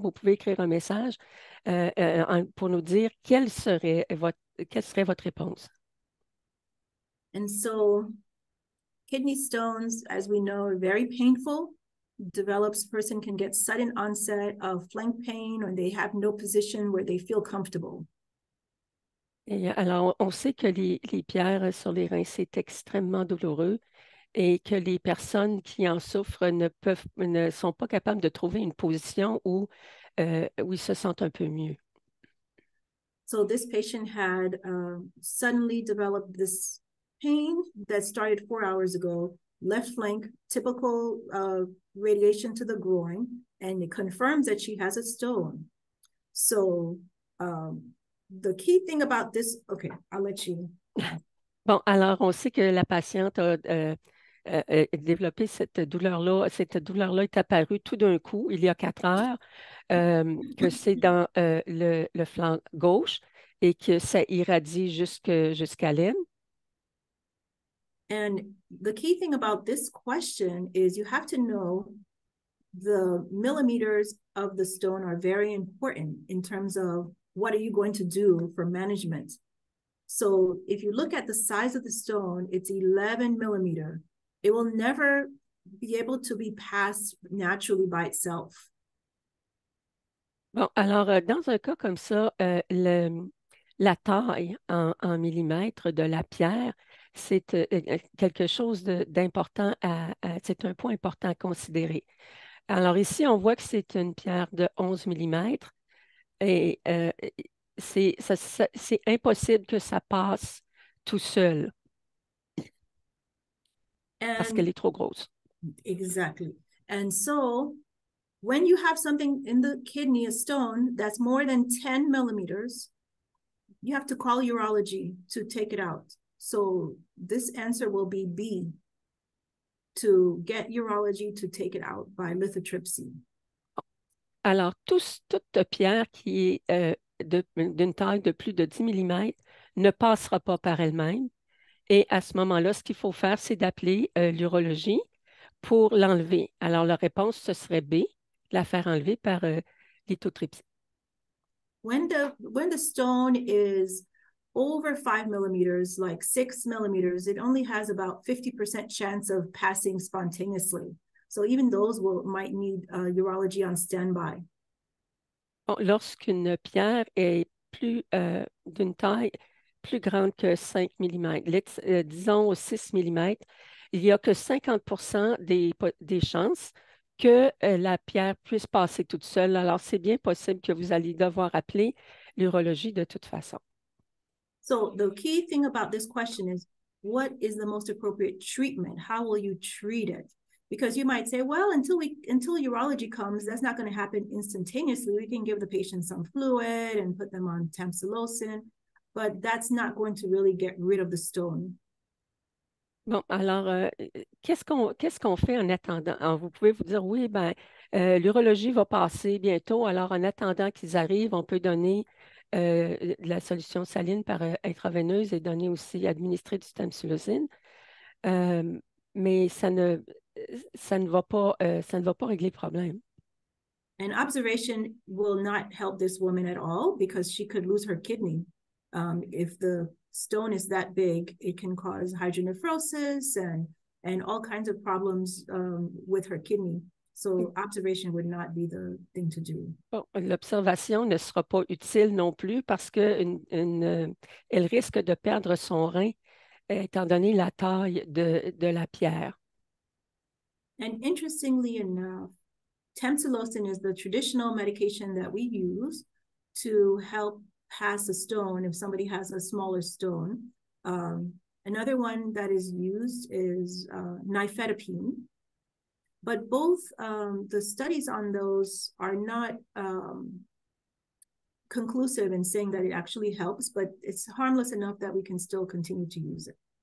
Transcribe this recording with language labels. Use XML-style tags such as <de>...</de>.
<fr>Vous pouvez écrire un message pour nous dire quelle serait votre réponse.</fr> <en>And so, kidney stones, as we know, are very painful. Develops person can get sudden onset of flank pain or they have no position where they feel comfortable.</en> <fr>Et alors, on sait que les pierres sur les reins, c'est extrêmement douloureux et que les personnes qui en souffrent ne sont pas capables de trouver une position où ils se sentent un peu mieux.</fr> <en>So this patient had suddenly developed this pain that started 4 hours ago. Left flank, typical radiation to the groin, and it confirms that she has a stone. So the key thing about this, okay, I'll let you.</en> <fr>Bon, alors on sait que la patiente a développé cette douleur-là. Cette douleur-là est apparue tout d'un coup, il y a 4 heures, que c'est dans le flanc gauche et que ça irradie jusqu'à l'aine.</fr> <en>And the key thing about this question is you have to know the millimeters of the stone are very important in terms of what are you going to do for management. So if you look at the size of the stone, it's 11 millimeter. It will never be able to be passed naturally by itself.</en> <fr>Bon, alors, dans un cas comme ça, la taille en millimètres de la pierre, c'est quelque chose d'important c'est un point important à considérer. Alors, ici, on voit que c'est une pierre de 11 millimètres et c'est impossible que ça passe tout seul parce qu'elle</fr> <en>And</en> <fr>est trop grosse.</fr> <en>exactly. And so when you have something in the kidney, a stone that's more than 10 millimeters, you have to call urology to take it out. So this answer will be B, to get urology to take it out by lithotripsy.</en> <fr>Alors, toute pierre qui est d'une taille de plus de 10 mm ne passera pas par elle-même. Et à ce moment-là, ce qu'il faut faire, c'est d'appeler l'urologie pour l'enlever. Alors, la réponse, ce serait B, la faire enlever par lithotripsie.</fr> <en>When the stone is over 5 millimeters, like 6 millimeters, it only has about 50% chance of passing spontaneously. So even those might need urology on standby.</en> <fr>Lorsqu'une pierre est plus d'une taille plus grande que 5 mm, disons 6 mm, il n'y a que 50% des chances que la pierre puisse passer toute seule. Alors, c'est bien possible que vous allez devoir appeler l'urologie de toute façon.</fr> <en>So the key thing about this question is, what is the most appropriate treatment? How will you treat it? Because you might say, well, until urology comes, that's not going to happen instantaneously. We can give the patient some fluid and put them on tamsulosin, but that's not going to really get rid of the stone.</en> <fr>Bon, alors, qu'est-ce qu'on fait en attendant? Alors, vous pouvez vous dire, oui, ben, l'urologie va passer bientôt. Alors, en attendant qu'ils arrivent, on peut donner de la solution saline par intraveineuse et donner aussi administrer du tamsulosine. Mais ça ne va pas régler le problème.</fr> <en>And observation will not help this woman at all because she could lose her kidney. If the stone is that big, it can cause hydronephrosis and all kinds of problems with her kidney. So observation would not be the thing to do.</en> <fr>Bon, l'observation ne sera pas utile non plus parce qu'elle risque de perdre son rein étant donné la taille de la pierre.</fr> <en>And interestingly enough, Tamsulosin is the traditional medication that we use to help pass a stone if somebody has a smaller stone. Another one that is used is nifedipine. But both the studies on those are not conclusive in saying that it actually helps, but it's harmless enough that we can still continue to use it.</en>